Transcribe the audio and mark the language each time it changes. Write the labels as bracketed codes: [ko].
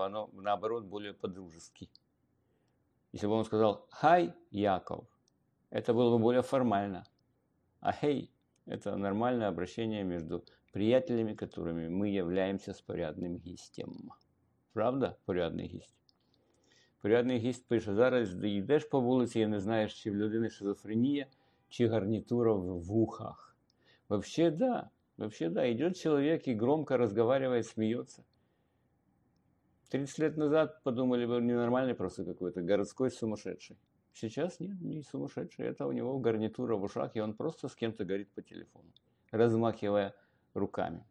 [ru] оно, наоборот, более по-дружески. Если бы он сказал «Хай, Яков!» это было бы более формально. А «Хей!» – это нормальное обращение между приятелями, которыми мы являемся с порядным гистем. Правда, порядный гист? Порядный гист пишет, [uk] «Зараз доїдеш по вулиці і не знаєш, чи в людини шизофренія, чи гарнітура в вухах». [ru] Вообще, да. Вообще, да. Идет человек и громко разговаривает, смеется. 30 лет назад подумали бы, ненормальный просто какой-то, городской сумасшедший. Сейчас нет, не сумасшедший. Это у него гарнитура в ушах, и он просто с кем-то говорит по телефону, размахивая руками.